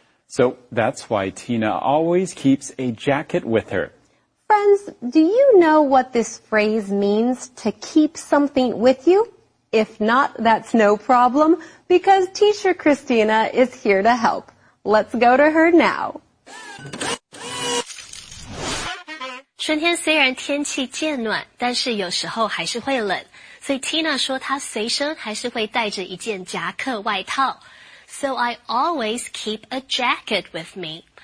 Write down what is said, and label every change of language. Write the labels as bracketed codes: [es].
[en] So that's why Tina always keeps a jacket with her. Friends, do you know what this phrase means, to keep something with you? If not, that's no problem, because teacher Christina is here to help. Let's go to her now. [zh] 春天虽然天气渐暖，但是有时候还是会冷，所以 Tina 说她随身还是会带着一件夹克外套。 [en] So I always keep a jacket with me.